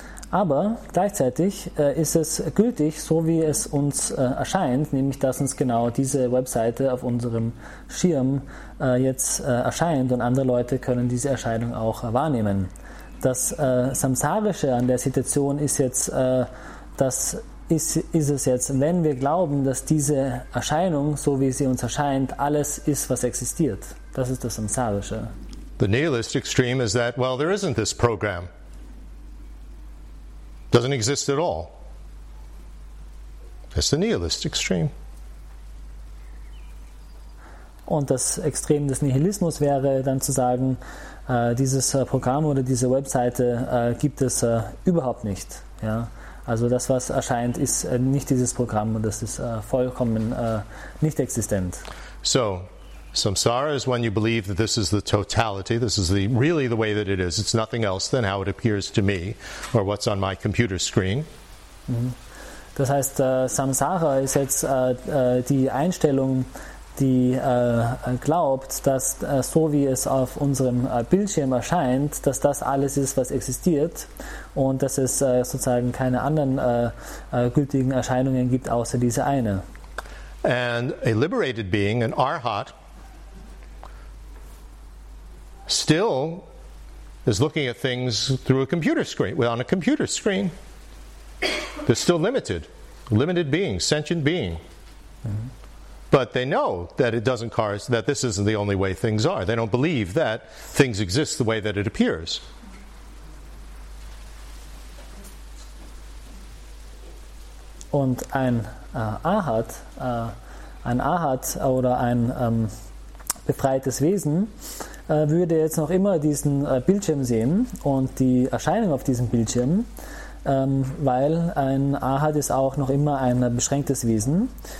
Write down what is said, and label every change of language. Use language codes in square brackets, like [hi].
[de] Aber gleichzeitig ist es gültig, so wie es uns erscheint, nämlich dass uns genau diese Webseite auf unserem Schirm jetzt erscheint und andere Leute können diese Erscheinung auch wahrnehmen. Das Samsarische an der Situation ist jetzt, das ist es jetzt, wenn wir glauben, dass diese Erscheinung, so wie sie uns erscheint, alles ist, was existiert. Das ist das Samsarische. [en] The nihilist extreme is that, well, there isn't this program. Doesn't exist at all. That's the nihilist extreme. [de] Und das Extrem des Nihilismus wäre dann zu sagen, dieses Programm oder diese Webseite gibt es überhaupt nicht. Ja? Also das, was erscheint, ist nicht dieses Programm und das ist vollkommen nicht existent. [en] So, Samsara is when you believe that this is the totality, this is the really the way that it is. It's nothing else than how it appears to me or what's on my computer screen. [de] Das heißt, Samsara ist jetzt die Einstellung, die glaubt, dass so wie es auf unserem Bildschirm erscheint, dass das alles ist, was existiert und dass es sozusagen keine anderen gültigen Erscheinungen gibt, außer diese eine. [en] And a liberated being, an Arhat, still is looking at things through a computer screen, well, on a computer screen. They're still limited. Limited being, sentient being. But they know that it doesn't correspond, that this isn't the only way things are. They don't believe that things exist the way that it appears. [de] Und ein Ahat, ein Ahat oder ein befreites Wesen würde jetzt noch immer diesen Bildschirm sehen und die Erscheinung auf diesem Bildschirm, weil ein Ahat ist auch noch immer ein beschränktes Wesen.